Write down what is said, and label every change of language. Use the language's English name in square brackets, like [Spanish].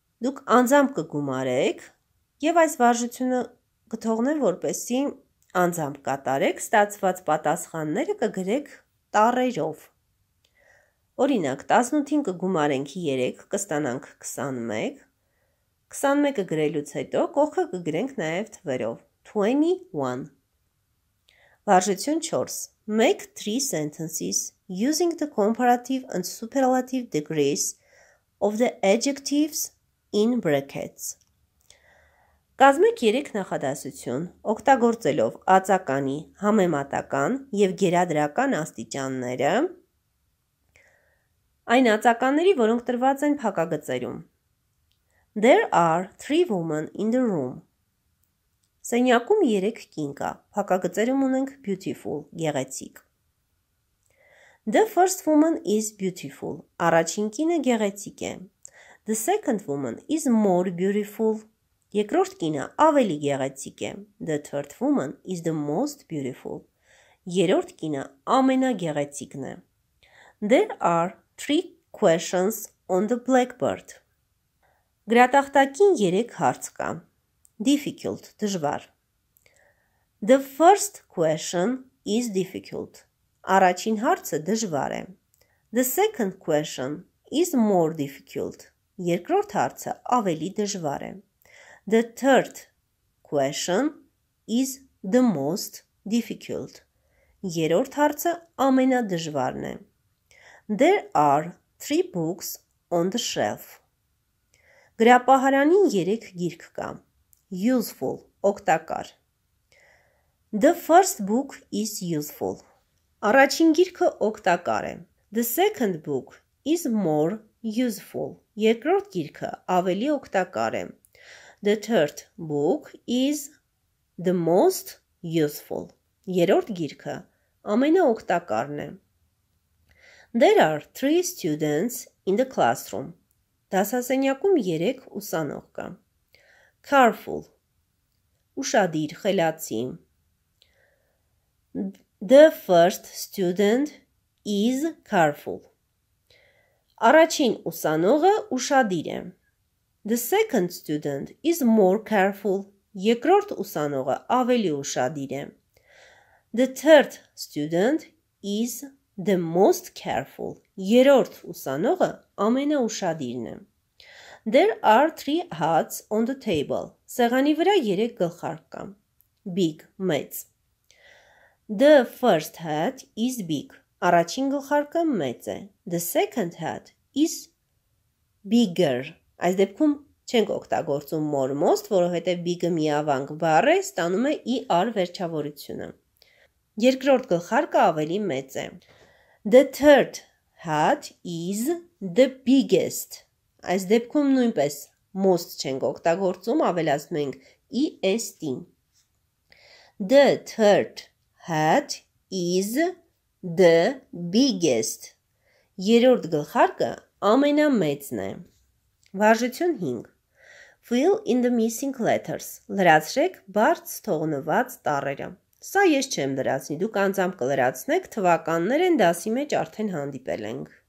[Armenian] Դուք անձամբ կգումարեք եւ այս վարժությունը կթողնեմ որպեսի անձամբ կատարեք, ստացված պատասխանները կգրեք տառերով։ Օրինակ, 18-ին կգումարենք 3, կստանանք 21, 21-ը գրելուց հետո կողքը կգրենք նաև թվերով, 21։ Վարժություն 4. [English] Make 3 sentences using the comparative and superlative degrees of the adjectives in brackets. [Armenian] Կազմեք 3 նախադասություն, օգտագործելով ածականի, համեմատական եւ գերադրական աստիճանները, այն ածականների, որոնք տրված են փակագծերում. [English] There are 3 women in the room. [Armenian] Սենյակում 3 կին կա, փակագծերում ունենք beautiful, գեղեցիկ. [English] The first woman is beautiful. [Armenian] Առաջին կինը գեղեցիկ է. [English] The second woman is more beautiful. [Armenian] Երկրորդ կինը ավելի գեղեցիկ է. [English] The third woman is the most beautiful. [Armenian] Երրորդ կինը ամենագեղեցիկն է. [English] There are 3 questions on the blackboard. [Armenian] Գրատախտակին 3 հարց կա. [English] Difficult, դժվար. The first question is difficult. [Armenian] Առաջին հարցը դժվար է. [English] The second question is more difficult. [Armenian] Երկրորդ հարցը ավելի դժվար է. [English] The third question is the most difficult. [Armenian] Երրորդ հարցը ամենադժվարն է. [English] There are 3 books on the shelf. [Armenian] Գրապահարանին 3 գիրք կա. [English] Useful, օգտակար. The first book is useful. [Armenian] Առաջին գիրքը օգտակար է. [English] The second book is more useful. [Armenian] Երկրորդ գիրքը ավելի օգտակար է. [English] The third book is the most useful. [Armenian] Երրորդ գիրքը ամենաօգտակարն է. [English] There are 3 students in the classroom. [Armenian] Դասասենյակում 3 ուսանող կա. Careful. Ուշադիր, խելացի. [English] The first student is careful. [Armenian] Առաջին ուսանողը ուշադիր է. [English] The second student is more careful. [Armenian] Երկրորդ ուսանողը ավելի ուշադիր է. [English] The third student is the most careful. [Armenian] Երրորդ ուսանողը ամենաուշադիրն է. [English] There are 3 hats on the table. [Armenian] Սեղանի վրա 3 գլխարկ կա. Big, մեծ. [English] The first hat is big. [Armenian] Առաջին գլխարկը մեծ է. [English] The second hat is bigger. [Armenian] Այս դեպքում չենք օգտագործում more most, որովհետև big-ը միավանք բառ է, ստանում է er վերջավորությունը։ Երկրորդ գլխարկը ավելի մեծ է։ [English] The third hat is the biggest։ [Armenian] Այս դեպքում նույնպես most չենք օգտագործում, ավելացնում ենք est-ին։ The third hat is the biggest։ Երրորդ գլխարկը ամենամեծն է։ Վարժություն 5. [English] Fill in the missing letters. [Armenian] Լրացրեք բարձ թողնված տառերը. Սա ես չեմ լրացնի, դուք անձամբ կլրացնեք, թվականներ են դասի մեջ արդեն հանդիպել ենք.